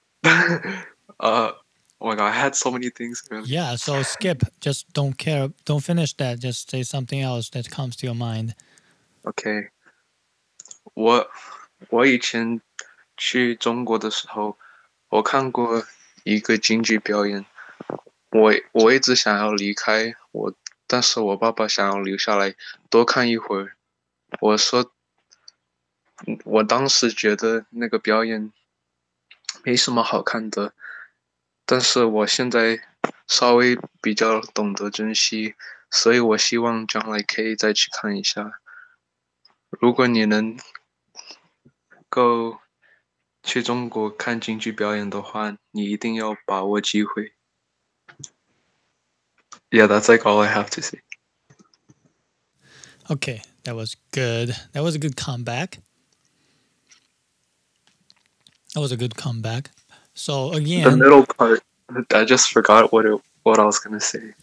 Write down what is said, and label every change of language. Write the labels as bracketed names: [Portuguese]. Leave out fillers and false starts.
[English] oh my god, I had so many things. Yeah, so skip. Just don't care. Don't finish that. Just say something else that comes to your mind. Okay. [Chinese] 我以前去中国的时候，我看过一个京剧表演。我一直想要离开，但是我爸爸想要留下来多看一会儿。我说，我当时觉得那个表演没什么好看的，但是我现在稍微比较懂得珍惜，所以我希望将来可以再去看一下。如果你能够去中国看京剧表演的话，你一定要把握机会。 [English] Yeah, that's like all I have to say. Okay, that was good. That was a good comeback. That was a good comeback. So again, the middle part, I just forgot what I was going to say.